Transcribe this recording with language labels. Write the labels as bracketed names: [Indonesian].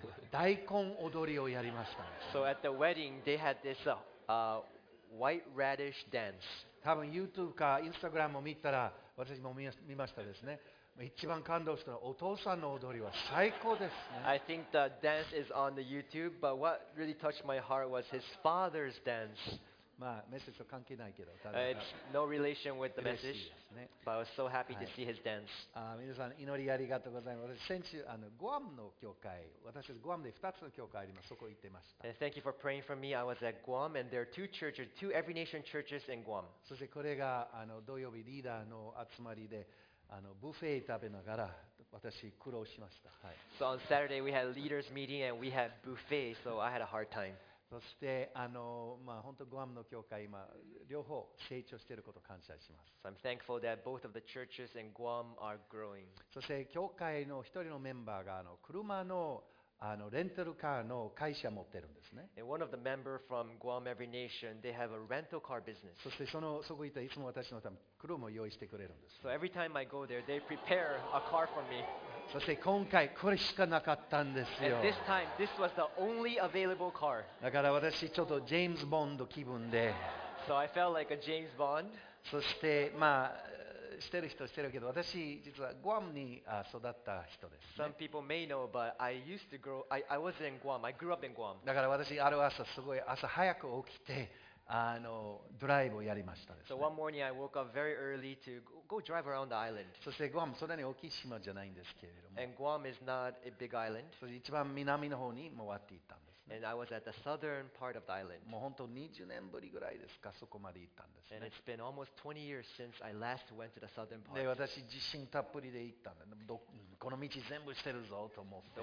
[Japanese] 大根踊りをやりました。 [English] So at the wedding, they had this white radish dance. [Japanese] 多分 YouTube か Instagram を見たら、私も見ましたですね。一番感動したのはお父さんの踊りは最高ですね。 [English] I think the dance is on the YouTube, but what really touched my heart was his father's dance. [Japanese] まあ、メッセージと関係ないけど、 [English] no relation with the message、ね、but I was so happy to see his dance、 [Japanese] はい、あ、皆さん祈りありがとうございます。私先週あのグアムの教会、私グアムで2つの教会あります、そこ行ってました。 [English] Thank you for praying for me. I was at Guam and there are two churches, two Every Nation churches in Guam. [Japanese] そしてこれがあの土曜日リーダーの集まりで、あのブフェ食べながら私苦労しました、はい、 [English] So on Saturday we had leaders meeting and we had buffet, so I had a hard time. [Japanese] そしてあの、まあ、本当グアムの教会今両方成長していることを感謝します。 [English] So、I'm thankful that both of the churches in Guam are growing. [Japanese] そして教会の一人のメンバーがあの車 の, あのレンタルカーの会社を持ってるんですね。 [English] And one of the member from Guam Every Nation, they have a rental car business. [Japanese] そしてそのそこにいたいつも私のため車を用意してくれるんです。 [English] So every time I go there, they prepare a car for me. [Japanese] そして今回これしかなかったんですよ。 [English] And this time, this was the only available car. [Japanese] だから私ちょっとジェームズ・ボンド気分で。 [English] So I felt like a James Bond. [Japanese] そしてまあ知ってる人知ってるけど、私実はグアムに育った人です、ね。 [English] Some people may know, but I used to grow. I was in Guam. I grew up in Guam. [Japanese] だから私ある朝すごい朝早く起きて。あのドライブをやりましたですね。 [English] So one morning I woke up very early to go drive around the island. [Japanese] そしてグアムそんなに大きい島じゃないんですけれども。 [English] And Guam is not a big island. [Japanese] そして一番南の方に回っていったんですね。 [English] And I was at the southern part of the island. [Japanese] もう本当20年ぶりぐらいですか、そこまで行ったんですね。 [English] And it's been almost 20 years since I last went to the southern part. [Japanese] で私自信たっぷりで行ったんです。この道全部してるぞと思って。